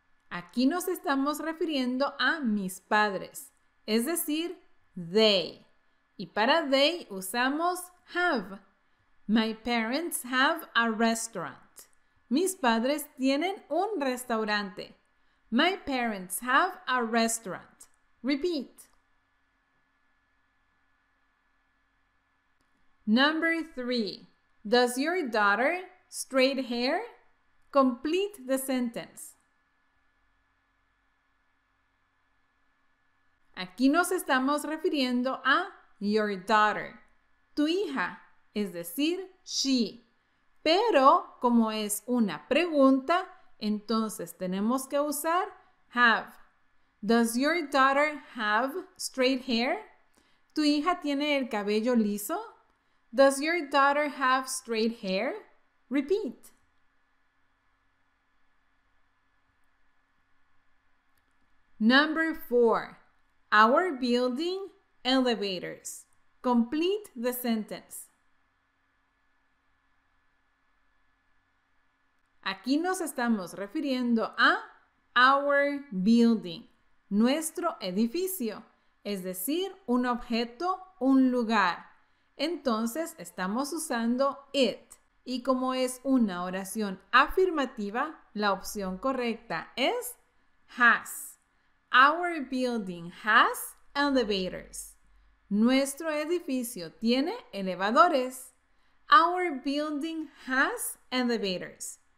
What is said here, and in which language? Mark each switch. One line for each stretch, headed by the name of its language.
Spanish: Aquí nos estamos refiriendo a mis padres, es decir, they. Y para they usamos have.
English: My parents have a restaurant.
Spanish: Mis padres tienen un restaurante.
English: My parents have a restaurant. Repeat. Number three. Does your daughter straight hair? Complete the sentence.
Spanish: Aquí nos estamos refiriendo a
English: your daughter,
Spanish: tu hija, es decir, she. Pero como es una pregunta, entonces tenemos que usar have.
English: Does your daughter have straight hair?
Spanish: ¿Tu hija tiene el cabello liso?
English: Does your daughter have straight hair? Repeat. Number four. Our building, elevators. Complete the sentence.
Spanish: Aquí nos estamos refiriendo a
English: our building,
Spanish: nuestro edificio, es decir, un objeto, un lugar. Entonces estamos usando it. Y como es una oración afirmativa, la opción correcta es has.
English: Our building has elevators.
Spanish: Nuestro edificio tiene elevadores.
English: Our building has elevators.